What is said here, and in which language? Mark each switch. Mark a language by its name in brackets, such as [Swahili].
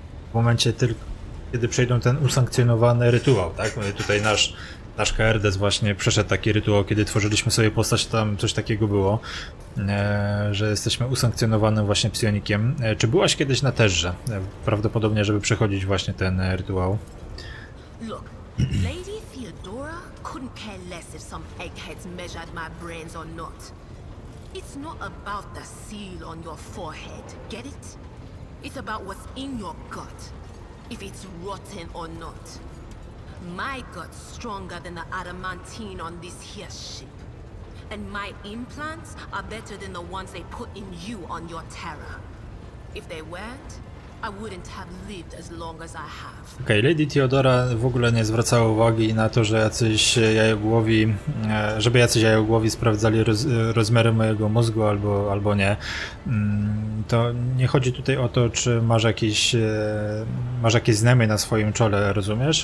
[Polish] W momencie tylko, kiedy przejdą ten usankcjonowany rytuał, tak? Tutaj nasz KRDS właśnie przeszedł taki rytuał, kiedy tworzyliśmy sobie postać, tam coś takiego było, że jesteśmy usankcjonowanym właśnie psionikiem. Czy byłaś kiedyś na Terrze? Prawdopodobnie, żeby przechodzić właśnie ten rytuał. [English] Look, Lady Theodora couldn't care less if some eggheads measured my brains or not. It's not about the seal on your forehead, get it? It's about what's in your gut, if it's rotten or not. My gut's stronger than the adamantine on this here ship. And my implants are better than the ones they put in you on your Terra. If they weren't, I wouldn't have lived as long as I have. [Polish] Okej, Lady Theodora w ogóle nie zwracała uwagi na to, że jacyś jajogłowi, żeby jacyś jajogłowi sprawdzali rozmiary mojego mózgu albo nie. To nie chodzi tutaj o to, czy masz jakieś znamie na swoim czole, rozumiesz?